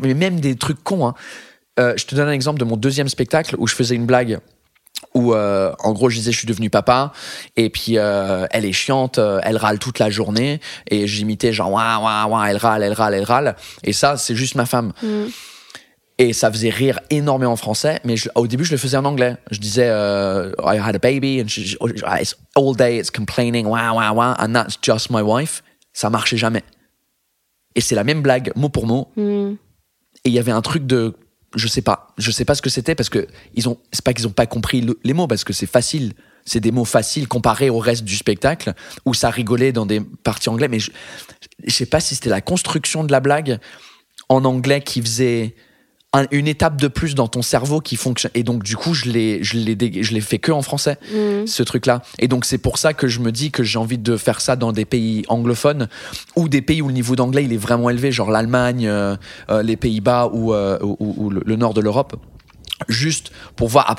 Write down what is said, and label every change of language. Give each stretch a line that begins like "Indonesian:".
French: Mais même des trucs cons. Hein. Je te donne un exemple de mon deuxième spectacle où je faisais une blague où, en gros, je disais je suis devenu papa, et puis elle est chiante, elle râle toute la journée, et j'imitais genre waouh, waouh, waouh, elle râle, elle râle, elle râle, et ça, c'est juste ma femme. Mmh. Et ça faisait rire énormément en français, mais au début, je le faisais en anglais. Je disais
English: I had a baby, and it's all day, it's complaining, waouh, waouh, waouh, and that's just my wife.
French: Ça marchait jamais. Et c'est la même blague, mot pour mot, et il y avait un truc de. Je sais pas ce que c'était, parce que c'est pas qu'ils ont pas compris les mots, parce que c'est facile, c'est des mots faciles comparés au reste du spectacle où ça rigolait dans des parties anglais, mais je sais pas si c'était la construction de la blague en anglais qui faisait une étape de plus dans ton cerveau qui fonctionne, et donc du coup je l'ai fait que en français, ce truc là et donc c'est pour ça que je me dis que j'ai envie de faire ça dans des pays anglophones ou des pays où le niveau d'anglais il est vraiment élevé, genre l'Allemagne, les Pays-Bas ou le nord de l'Europe, juste pour voir.